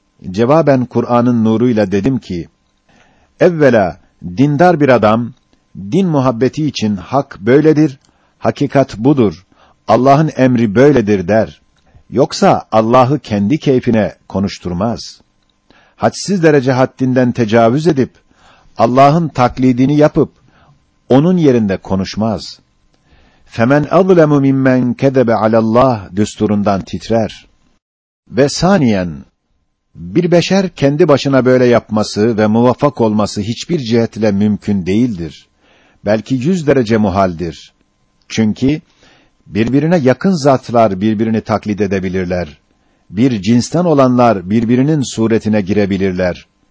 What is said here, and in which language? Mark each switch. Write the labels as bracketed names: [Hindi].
[Turkish] Cevaben Kur'an'ın nuruyla dedim ki: Evvela dindar bir adam din muhabbeti için hak böyledir, hakikat budur, Allah'ın emri böyledir der. Yoksa Allah'ı kendi keyfine konuşturmaz. Hadsiz derece haddinden tecavüz edip, Allah'ın taklidini yapıp, onun yerinde konuşmaz. [Arabic] فَمَنْ أَظْلَمُ مِمَّنْ كَدَبَ عَلَى اللّٰهِ [Turkish] düsturundan titrer. Ve saniyen, bir beşer kendi başına böyle yapması ve muvaffak olması hiçbir cihetle mümkün değildir. Belki 100 derece muhaldir. Çünkü, birbirine yakın zatlar birbirini taklit edebilirler. Bir cinsten olanlar birbirinin suretine girebilirler.